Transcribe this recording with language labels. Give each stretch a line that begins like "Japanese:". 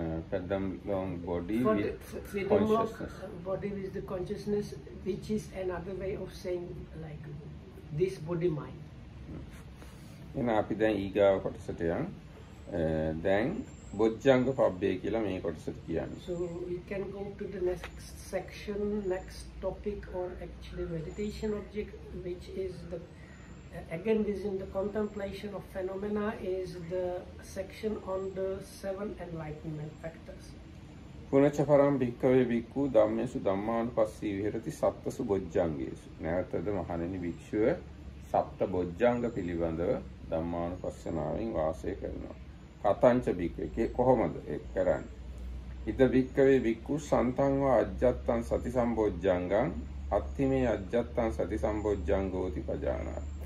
English: Fathom long body with consciousness. Body with the consciousness, which is another way of saying like this body mind.
Sinhala: එන අපි දැන් ඊගාව කොටසට යන්. දැන් බොජ්ජංග පබ්බේ කියලා මේ කොටසට කියන්නේ.
English: So we can go to the next section, next topic or actually meditation object, which is the again within the contemplation of phenomena, is the section on the seven enlightenment factors.
Pali: පුනච්ච පරම් භික්ඛවේ භික්ඛු ධම්මේසු ධම්මානුපස්සී විහෙරති සත්තසු බොජ්ජංගේසු.
Sinhala: නැවතද මහණෙනි භික්ෂුව සත්ත බොජ්ජංග පිළිබඳව ධම්මාන පස්සනාවෙන් වාසය කරනවා.
Pali: කතංච භික්කේ
Sinhala: කොහොමද ඒ කරන්න.
Pali: හිත භික්කවේ වික්කු සන්තංව අජ්ජත්තන් සති සම්බෝජ්ජංගන් අත්තිමේ අජ්ජත්තන් සති සම්බෝජ්ජංගෝති පජානා.